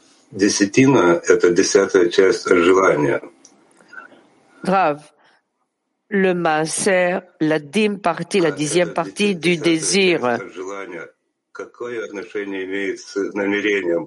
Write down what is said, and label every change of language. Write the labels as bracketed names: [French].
[Russian] Десятина – это десятая часть желания. [French] Rav, le maaser, la dîme partie, la dixième partie du désir. [Russian] Какое отношение имеет с намерением?